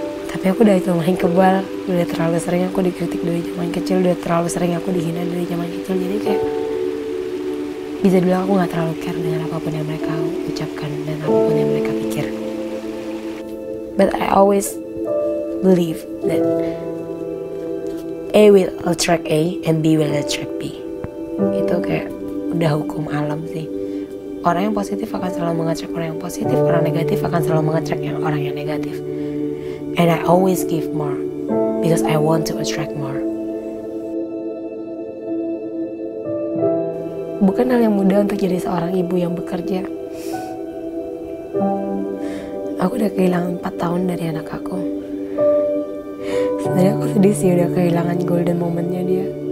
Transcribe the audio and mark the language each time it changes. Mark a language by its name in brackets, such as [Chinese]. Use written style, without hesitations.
[Indonesian] Tapi aku udah itu main kebal, udah terlalu sering aku dikritik dari zaman kecil, udah terlalu sering aku dihina dari zaman kecil. Jadi kayak bisa bilang aku gak terlalu care dengan apapun yang mereka ucapkan dan apapun yang mereka pikir. [English] But I always believe that A will attract A and B will attract B. [Indonesian] Itu kayak udah hukum alam sih. Orang yang positif akan selalu mengattract orang yang positif, orang negatif akan selalu mengattract orang yang negatif. [English] And I always give more because I want to attract more. [Indonesian] Bukan hal yang mudah untuk jadi seorang ibu yang bekerja. Aku udah kehilangan 4 tahun dari anak aku. Sebenarnya aku sedih sih udah kehilangan golden momentnya dia.